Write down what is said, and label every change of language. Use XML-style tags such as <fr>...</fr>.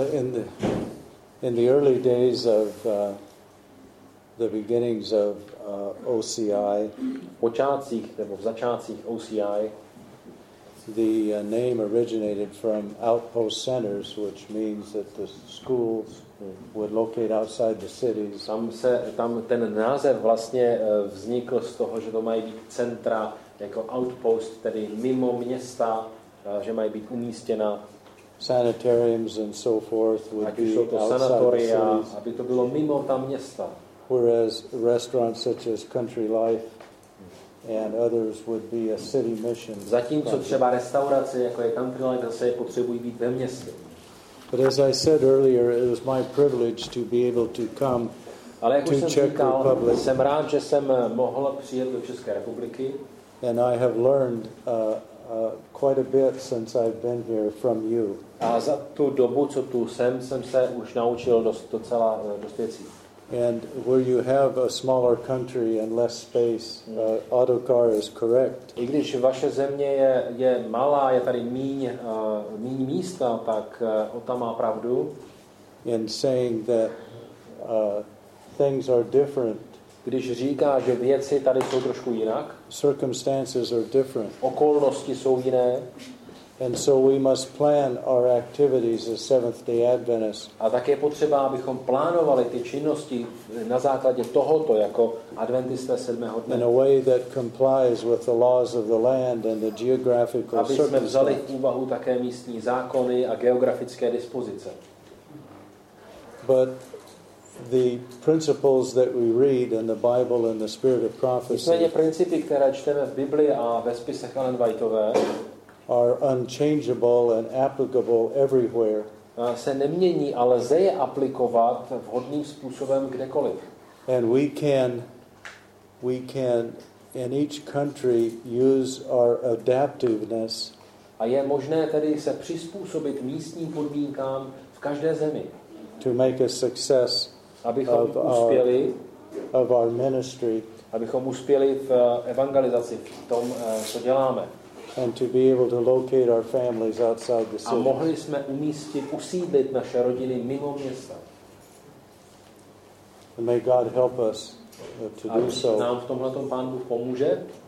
<en>In the early days of the beginnings of OCI,</en> <cs>v začátcích OCI,</cs> <en>the name originated from Outpost Centers, which means that the schools would locate outside the cities.</en> <cs>Tam ten název vlastně vznikl z toho, že to mají být centra jako outpost, tedy mimo města, že mají být umístěna.</cs> <en>Sanitariums and so forth would be sanatoria,</en> <cs>aby to bylo mimo ta města.</cs> <en>Whereas restaurants such as Country Life and others would be a city mission.</en> <cs>Zatímco třeba restaurace jako je Country Life, zase potřebují být ve městě.</cs> <en>But as I said earlier, it was my privilege to be able to come to Czech Republic.</en> <cs>Jsem rád, že jsem mohl přijet do České republiky.</cs> <en>And I have learned quite a bit since I've been here from you.</en> <cs>A za tu dobu, co tu jsem se už naučil dost věcí.</cs> <en>And where you have a smaller country and less space, autocar is correct.</en> <cs>I když vaše země je malá, je tady míň místa, tak ota má pravdu.</cs> <en>In saying that things are different.</en> <cs>Když říká, že věci tady jsou trošku jinak.</cs> <en>Circumstances are different.</en> <cs>Okolnosti jsou jiné.</cs> <en>And so we must plan our activities as Seventh-day Adventists.</en> <cs>A tak je potřeba, abychom plánovali ty činnosti na základě tohoto jako adventisté sedmého dne.</cs> <en>In a way that complies with the laws of the land and the geographical circumstances.</en> <cs>Aby jsme vzali v úvahu také místní zákony a geografické dispozice.</cs> <en>But the principles that we read in the Bible and the spirit of prophecy.</en> <cs>Nicméně principy, které čteme v Biblii a ve spisech Ellen Whiteové,</cs> <en>are unchangeable and applicable everywhere.</en> <cs>Se nemění, ale lze je aplikovat vhodným způsobem kdekoliv.</cs> <en>And we can in each country use our adaptiveness.</en> <cs>A je možné tedy se přizpůsobit místním podmínkám v každé zemi.</cs> <en>To make a success of our ministry.</en> <cs>Abychom uspěli v evangelizaci, v tom, co děláme.</cs> <en>And to be able to locate our families outside the city.</en> <cs>A mohli jsme usídlit naše rodiny mimo města.</cs> <en>And may God help us to do so.</en> <cs>A nám v tomhle tom Pán Bůh pomůže.</cs>